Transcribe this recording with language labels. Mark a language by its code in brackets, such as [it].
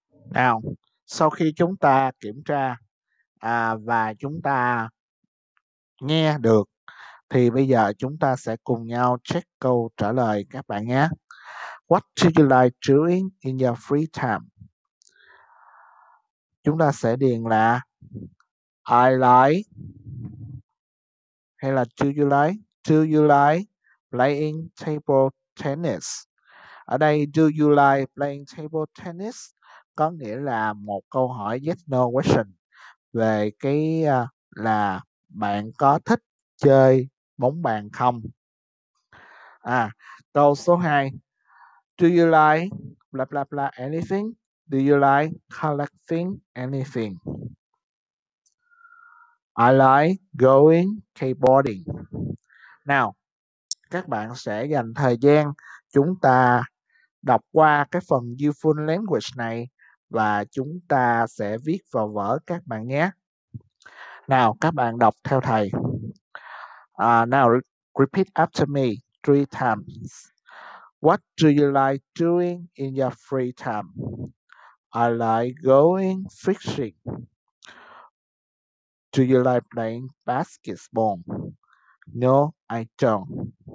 [vi] Nào, sau khi chúng ta kiểm tra và chúng ta nghe được, thì bây giờ chúng ta sẽ cùng nhau check câu trả lời các bạn nhé. [en] What do you like doing in your free time? [vi] Chúng ta sẽ điền là [en] I like [vi] hay là [en] do you like playing table tennis? [vi] Ở đây [en] do you like playing table tennis [vi] có nghĩa là một câu hỏi [en] yes no question [vi] về cái là bạn có thích chơi bóng bàn không? À, câu số 2. [en] Do you like blah blah blah anything? Do you like collecting anything? I like going skateboarding. [vi] Now, các bạn sẽ dành thời gian chúng ta đọc qua cái phần useful language này và chúng ta sẽ viết vào vở các bạn nhé. Nào, các bạn đọc theo thầy. [en] Now, repeat after me 3 times. What do you like doing in your free time? I like going fishing. Do you like playing basketball? No, I don't.